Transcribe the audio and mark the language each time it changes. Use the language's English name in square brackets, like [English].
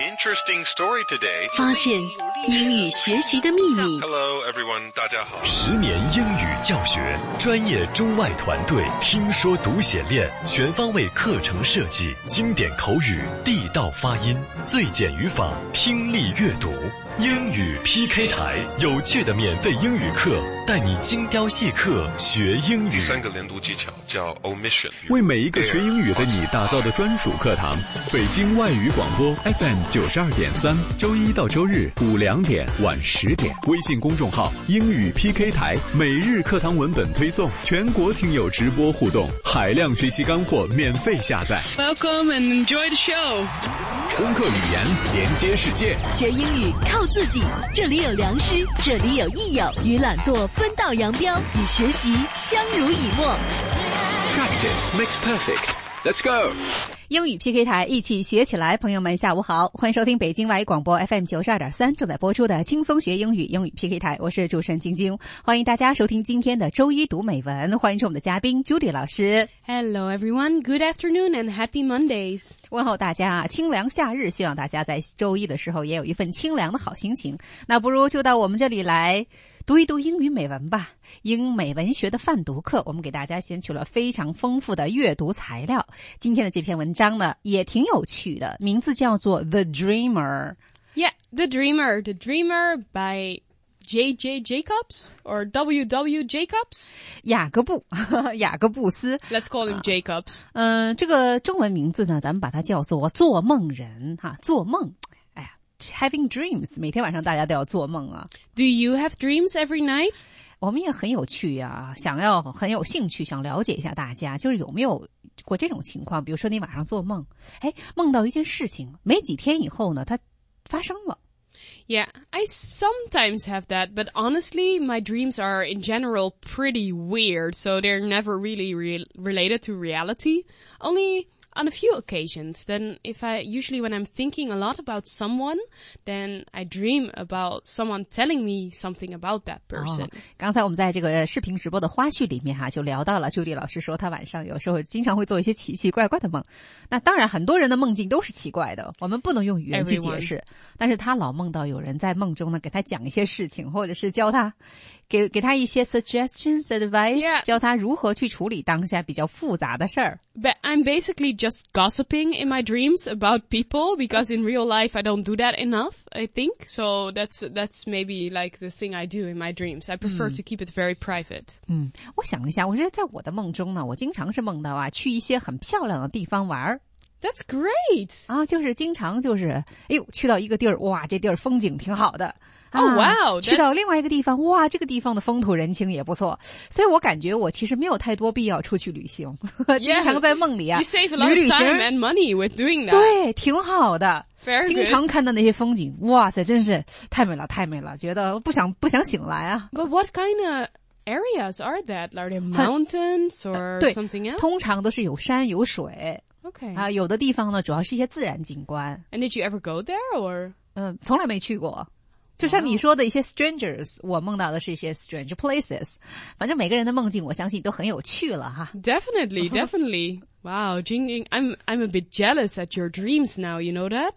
[English] Interesting story today. [Chinese] 发现英语学习的秘密 [English] Hello everyone, [Chinese] 大家好十年英语教学专业中外团队听说读写练全方位课程设计经典口语地道发音最简语法听力阅读英语 PK 台有趣的免费英语课带你精雕细刻学英语第三个连读技巧叫 Omission 为每一个学英语的你打造的专属课堂北京外语广播 FM92.3 周一到周日午两点晚十点微信公众号英语 PK 台每日课堂文本推送全国听友直播互动海量学习干货免费下载 [English] Welcome and enjoy the show [Chinese] 攻克语言连接世界学英语靠自己这里有良师这里有益友与懒惰分道扬镳与学习相濡以沫 [English] Practice makes perfect Let's go [Chinese] 英语 PK 台一起学起来朋友们下午好欢迎收听北京外语广播 FM92.3 正在播出的轻松学英语英语 PK 台我是主持人晶晶欢迎大家收听今天的周一读美文欢迎出我们的嘉宾 Judy 老师 [English] Hello everyone, good afternoon and happy Mondays [Chinese] 问候大家清凉夏日希望大家在周一的时候也有一份清凉的好心情那不如就到我们这里来读一读英语美文吧英美文学的泛读课我们给大家选取了非常丰富的阅读材料今天的这篇文章呢也挺有趣的名字叫做 The Dreamer [English] Yeah, The Dreamer by J.J. Jacobs or W.W. Jacobs [Chinese] 雅各布雅各布斯 [English] Let's call him Jacobs [Chinese] 这个中文名字呢咱们把它叫做做梦人做梦 [English] Having dreams, [Chinese] 每天晚上大家都要做梦啊。 [English] Do you have dreams every night? [Chinese] 我们也很有趣啊，想要很有兴趣，想了解一下大家，就是有没有过这种情况？比如说你晚上做梦，哎，梦到一件事情，没几天以后呢，它发生了。 [English] Yeah, I sometimes have that, but honestly, my dreams are in general pretty weird, so they're never really related to reality. Only... On a few occasions, then usually when I'm thinking a lot about someone, then I dream about someone telling me something about that person.、Oh, [Chinese] 刚才我们在这个视频直播的花絮里面、啊、就聊到了 Judy 老师说他晚上有时候经常会做一些奇奇怪怪的梦。那当然很多人的梦境都是奇怪的，我们不能用语言去解释。 [English] Everyone. [Chinese] 但是他老梦到有人在梦中呢给他讲一些事情或者是教他。给他一些 [English] suggestions, advice,、 yeah. [Chinese] 教他如何去处理当下比较复杂的事儿。 [English] But I'm basically just gossiping in my dreams about people because in real life I don't do that enough, I think. So that's maybe like the thing I do in my dreams. I prefer、to keep it very private. [Chinese] 嗯，我想一下，我觉得在我的梦中呢，我经常是梦到啊，去一些很漂亮的地方玩儿。 [English] That's great! [Chinese] 啊，就是经常就是，哎呦，去到一个地儿，哇，这地儿风景挺好的。 [English] 啊、oh, wow, [Chinese] 去到另外一个地方哇这个地方的风土人情也不错所以我感觉我其实没有太多必要出去旅行经常在梦里啊 [English] yeah, You save a lot of time and money with doing that [Chinese] 对挺好的 [English] Very good. [Chinese] 经常看到那些风景哇塞真是太美了太美了觉得不想醒来啊 [English] But what kind of areas are that? Are there mountains or something else? [Chinese] 通常都是有山有水 [English] Okay. [Chinese] 啊，有的地方呢主要是一些自然景观 [English] And did you ever go there? Or? [Chinese] 从来没去过就像你说的一些 strangers, 我梦到的是一些 [English] strange places. [Chinese] 反正每个人的梦境我相信都很有趣了哈。 [English] Definitely, definitely. Wow, Jingjing, I'm a bit jealous at your dreams now, you know that?